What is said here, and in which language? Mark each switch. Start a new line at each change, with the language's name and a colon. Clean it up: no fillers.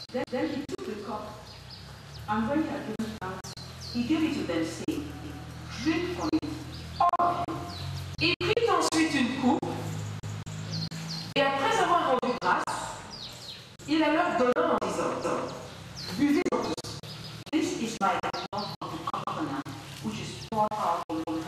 English: Then he took the cup, and when he had given thanks, he gave it to them, saying, drink from it, all of you.
French: Il prit ensuite une coupe, et après avoir rendu grâce, il la leur donna en disant, buvez-en tous.
English: This is my blood of the covenant, which is poured out for you.